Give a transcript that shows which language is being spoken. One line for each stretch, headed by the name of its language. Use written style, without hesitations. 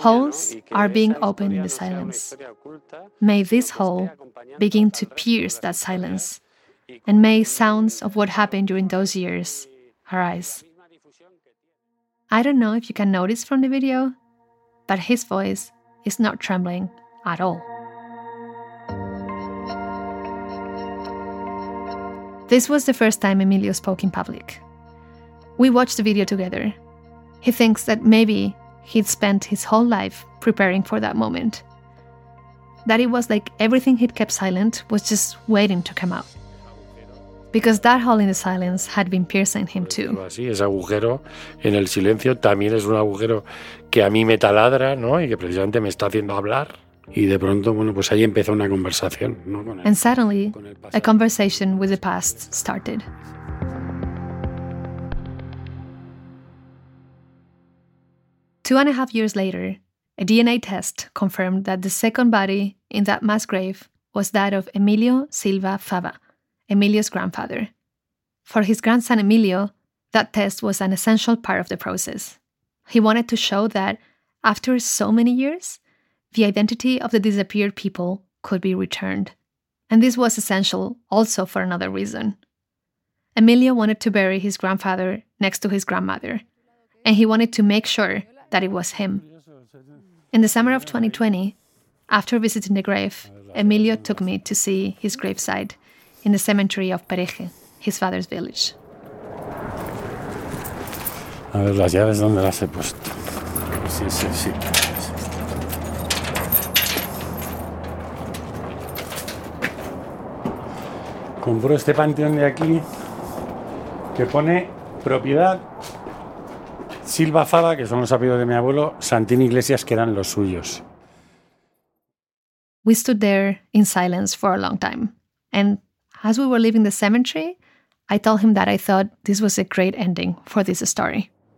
English: Holes are being opened in the silence. May this hole begin to pierce that silence, and may sounds of what happened during those years arise. I don't know if you can notice from the video, but his voice is not trembling at all. This was the first time Emilio spoke in public. We watched the video together. He thinks that maybe he'd spent his whole life preparing for that moment. That it was like everything he'd kept silent was just waiting to come out. because that hole in the silence had been piercing him too.
Spanish: Sí, ese agujero en el silencio también es un agujero que a mí me taladra, ¿no? Y que precisamente me está haciendo hablar. Y de pronto, bueno, pues ahí empezó una conversación, ¿no?
English: And suddenly, a conversation with the past started. Two and a half years later, a DNA test confirmed that the second body in that mass grave was that of Emilio Silva Fava, Emilio's grandfather. For his grandson Emilio, that test was an essential part of the process. He wanted to show that, after so many years, the identity of the disappeared people could be returned. And this was essential also for another reason. Emilio wanted to bury his grandfather next to his grandmother, and he wanted to make sure that it was him. In the summer of 2020, after visiting the grave, Emilio took me to see his gravesite in the cemetery of Pereje, his father's village.
Spanish: A ver, las llaves, ¿dónde las he puesto? Sí, sí, sí. Compró este panteón de aquí que pone propiedad Silva Fava, que son los apellidos de mi abuelo, Santini Iglesias, que eran los suyos.
English: We stood there in silence for a long time. And as we were leaving the cemetery, I told him that I thought this was a great ending for this story.